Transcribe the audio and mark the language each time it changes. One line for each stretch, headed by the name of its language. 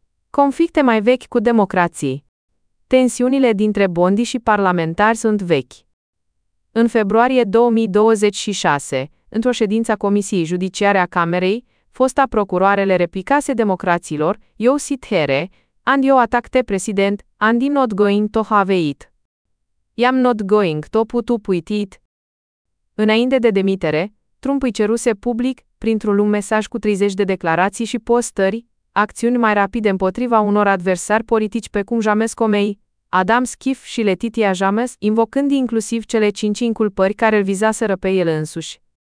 Romanian: Conflicte mai vechi cu democrații. Tensiunile dintre Bondi și parlamentari sunt vechi. În februarie 2026, într-o ședință a Comisiei Judiciare a Camerei, fosta procuroare le replicase democraților,
English: "You sit here, and you attack the president, and I'm not going to have it. I'm not going to put up with it."
Romanian: Înainte de demitere, Trump îi ceruse public, printr-un lung mesaj cu 30 de declarații și postări, acțiuni mai rapide împotriva unor adversari politici pe cum James Comey, Adam Schiff și Letitia James, invocând inclusiv cele 5 inculpări care îl vizaseră pe el însuși.